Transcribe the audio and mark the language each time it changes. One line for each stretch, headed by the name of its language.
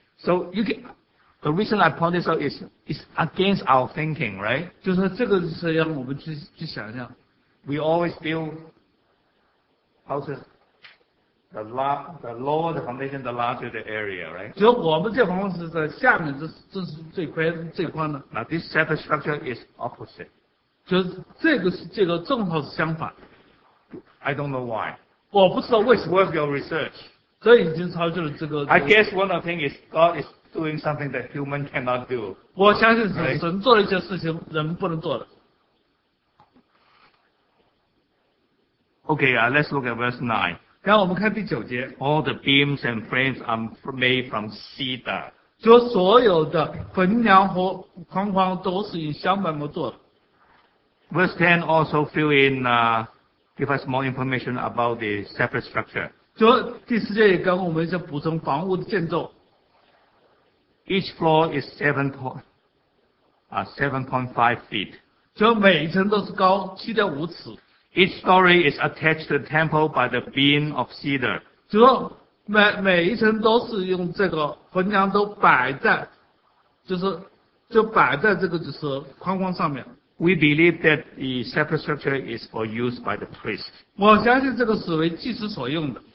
English: So the reason I point this out is against our thinking, right?
Chinese: 就是这个是让我们去想象。
English: We always build houses, the lower the foundation, the larger the area, right?
Chinese: 就我们这房子的下面这是最宽的。
English: Now this set of structure is opposite.
Chinese: 就是这个是这个正好是相反。
English: I don't know why.
Chinese: 我不知道为什么。
English: Worth your research.
Chinese: 这已经超出了这个。
English: I guess one of the things is God is doing something that human cannot do.
Chinese: 我相信是神做了一些事情人不能做的。
English: Okay, let's look at verse 9.
Chinese: 然后我们看第九节。
English: All the beams and frames are made from cedar.
Chinese: 就所有的横梁和框框都是以香柏木做的。
English: Verse 10 also fill in, give us more information about the separate structure.
Chinese: 就第四节也跟我们一些补充房屋的建筑。
English: Each floor is 7.5 feet.
Chinese: 就每一层都是高 7.5 尺。
English: Each story is attached to the temple by the beam of cedar.
Chinese: 就每一层都是用这个横梁都摆在就摆在这个就是框框上面。
English: We believe that the separate structure is for use by the priest.
Chinese: 我相信这个是为祭司所用的。